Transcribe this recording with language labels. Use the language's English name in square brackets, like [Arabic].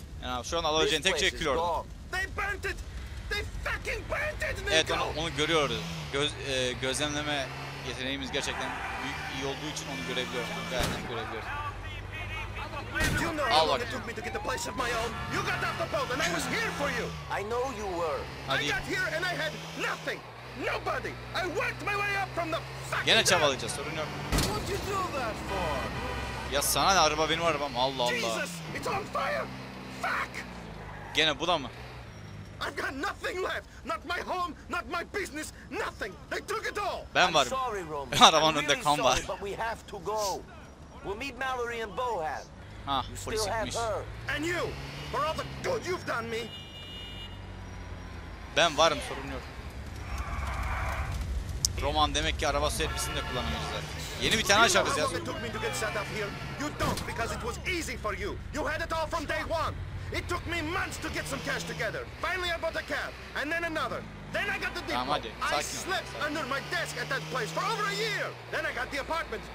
[Turkish] Ya şu an alabileceğin tek şey kül orada. [English] They burnt it. They fucking burnt it. [Turkish] Evet, onu görüyoruz. Gözlemleme yeteneğimiz gerçekten iyi olduğu için onu görebiliyoruz. Gayet görebiliyoruz. [English] Do you know how long it took me to get a place of my own? You got off the boat and I was here for you! I know you were. [Turkish] Hadi. [English] I got here and I had nothing! Nobody! I worked my way up from the fucking [Turkish] gene çabalayacağız, sorun yok. [English] What you do that for? [Turkish] Ya sana ne, araba benim arabam, Allah Allah. [English] Jesus! It's on fire! Fuck! [Turkish] Gene bu da mı? [English] I've got nothing left! Not my home, not my business, nothing! They took it all! [Turkish] Ben varım. [English] I'm sorry, Roman. [Turkish] Arabanın [English] I'm really [Turkish] önünde kan var. [English] Sorry, but we have to go. We'll meet Mallory and Bohan. You still have her. And you, for all the good you've done me. [Turkish] Ben varım, sorun yok. Roman demek ki araba servisinde kullanıyorlar. Yeni bir tane açarız ya. [English] It took me to get set up here. You don't, because it was easy for you. You had it all from day one. It took me months to get some cash together. Finally I bought a cab, and then another. Then I got the depot. [Turkish] Tamam, [English] I slept under my desk at that place for over a year. Then I got the apartment.